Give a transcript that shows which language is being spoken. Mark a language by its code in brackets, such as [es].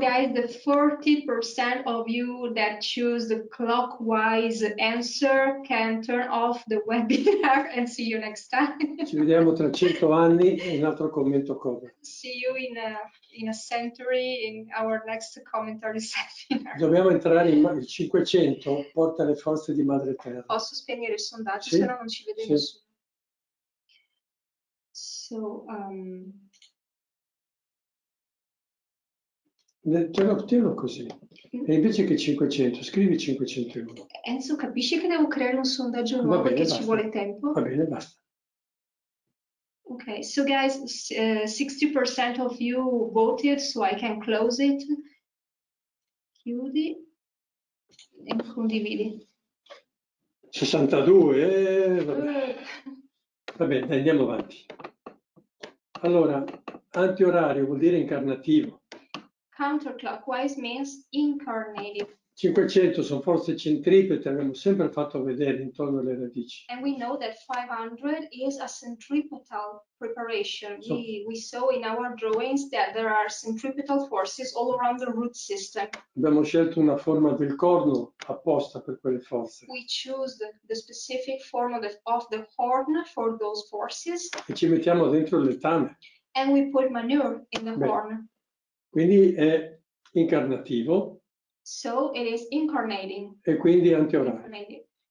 [en] guys, the 40% of you that choose the clockwise answer can turn off the webinar and see you next time. [it] Ci vediamo tra 100 anni in un altro commento cover. [en] See you in a century in our next commentary seminar. [it] Dobbiamo entrare in il 500 porta le forze di madre terra. Posso spegnere il sondaggio, sì? Se no non ci vede, sì. Nessuno. [en] So [it] Tienilo così. E invece che 500, scrivi 501. Enzo, capisci che devo creare un sondaggio nuovo perché ci vuole tempo? Va bene, basta. [en] Ok, so guys, 60% of you voted, so I can close it. [it] Chiudi e condividi. 62, va bene, andiamo avanti. Allora, antiorario vuol dire incarnativo. [en] Counterclockwise means incarnative. [it] 500 sono forze centripete, abbiamo sempre fatto vedere intorno alle radici. [en] And we know that 500 is a centripetal preparation. We saw in our drawings that there are centripetal forces all around the root system. [it] Abbiamo scelto una forma del corno apposta per quelle forze. [en] We choose the specific form of the horn for those forces. [it] E ci mettiamo dentro le tane. [en] And we put manure in the horn. [it] Quindi è incarnativo. [en] So it is incarnating. [it] E quindi antiorario.